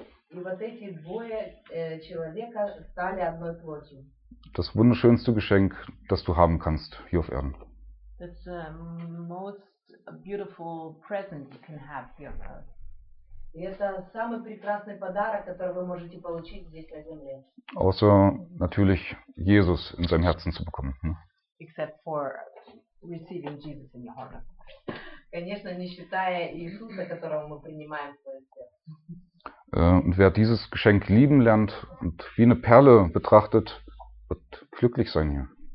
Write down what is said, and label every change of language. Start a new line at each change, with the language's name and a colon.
Russian: И вот эти двое человека стали одной плотью.
German: Das wunderschönste Geschenk, das du haben kannst hier auf Erden.
English: That's the most beautiful present you can have here on Earth.
Russian: И это самый прекрасный подарок, который вы можете получить здесь на земле.
German: Außer natürlich Jesus in sein Herzen zu bekommen.
English: except for receiving Jesus in your heart.
Russian: Конечно, не считая Иисуса, которого мы принимаем в свое сердце.
German: Und wer dieses Geschenk lieben lernt und wie eine Perle betrachtet, wird glücklich sein hier.